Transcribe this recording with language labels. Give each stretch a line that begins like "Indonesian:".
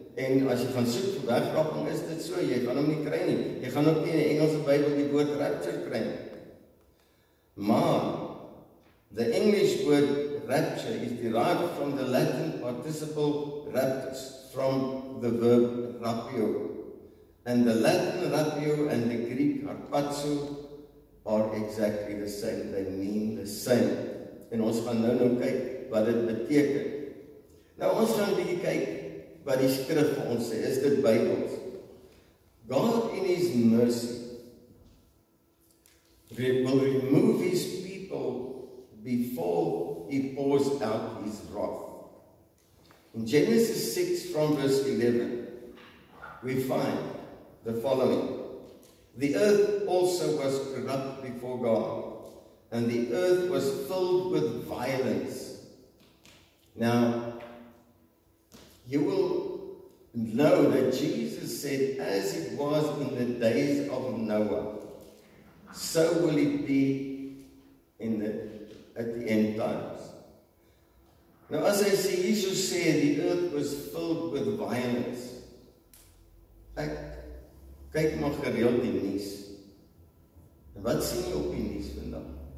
Afrikaans: En as jy gaan soek vir wegraping, is dit so, jy gaan hom nie kry nie. Jy gaan ook nie in die Engelse Bybel die woord rapture kry.
English: Maar, the English word rapture is derived from the Latin participle raptus, from the verb rapio. And the Latin rapio and the Greek harpazo are exactly the same. They mean the same.
Afrikaans: En ons gaan nou kyk wat dit beteken. Nou ons gaan 'n bietjie kyk wat die skrif vir ons sê. Is dit Bybels?
English: God in his mercy will remove his people before he pours out his wrath. In Genesis 6 from verse 11, we find the following. The earth also was corrupt before God, and the earth was filled with violence. Now, you will know that Jesus said, as it was in the days of Noah, so will it be at the end times. Now, as I see, Jesus said, the earth was filled with violence.
Afrikaans: Ek kyk maar gereeld die nuus. En wat sien jy op die nuus vandag?